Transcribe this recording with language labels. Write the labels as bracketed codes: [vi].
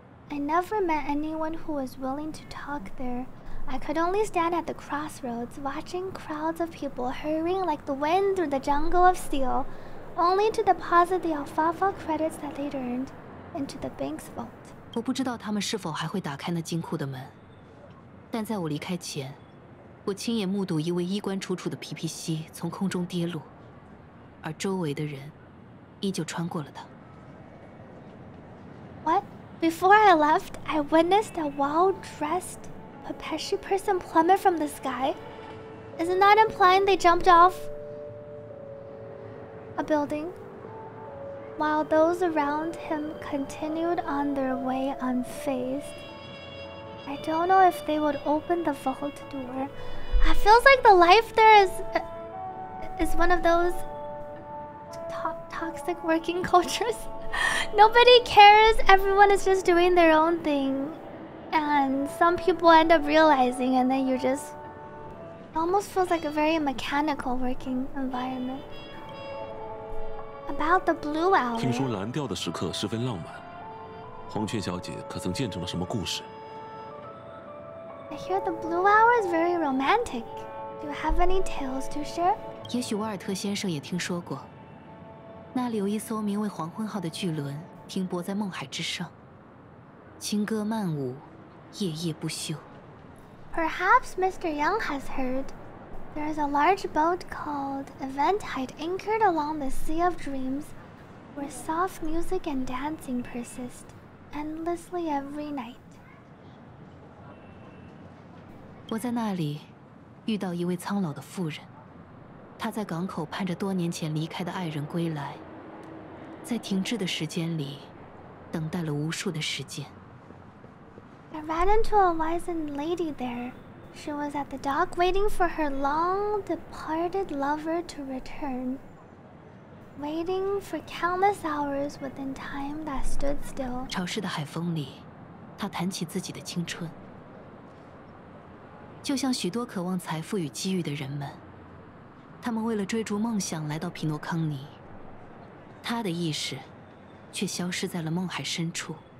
[en] I never met anyone who was willing to talk there. I could only stand at the crossroads, watching crowds of people hurrying like the wind through the jungle of steel, only to deposit the alfafa credits that they'd earned into the bank's vault. [zh] 我不知道他们是否还会打开那金库的门，但在我离开前，我亲眼目睹一位衣冠楚楚的皮皮西从空中跌落，而周围的人依旧穿过了他。 [en] What? Before I left, I witnessed a well-dressed. A Papeshi person plummet from the sky? Isn't that implying they jumped off a building? While those around him continued on their way unfazed. I don't know if they would open the vault door. It feels like the life there is one of those toxic working cultures. Nobody cares, everyone is just doing their own thing. And some people end up realizing, and then you just almost feels like a very mechanical working environment. About the blue hour. [zh] 听说蓝调的时刻十分浪漫。黄雀小姐可曾见证了什么故事 [en] ？I hear the blue hour is very romantic. Do you have any tales to share? [zh] 也许沃尔特先生也听说过。那里有一艘名为黄昏号的巨轮停泊在梦海之上，轻歌曼舞。夜夜不休。 [en] Perhaps Mr. Young has heard. There is a large boat called Aventide anchored along the Sea of Dreams, where soft music and dancing persist endlessly every night. [zh] 我在那里遇到一位苍老的妇人，她在港口盼着多年前离开的爱人归来，在停滞的时间里等待了无数的时间。 [en] I ran into a wizened lady there. She was at the dock waiting for her long-departed lover to return. Waiting for countless hours within time that stood still. [zh] 潮湿的海风里，她谈起自己的青春。就像许多渴望财富与机遇的人们，他们为了追逐梦想来到皮诺康尼。她的意识却消失在了梦海深处。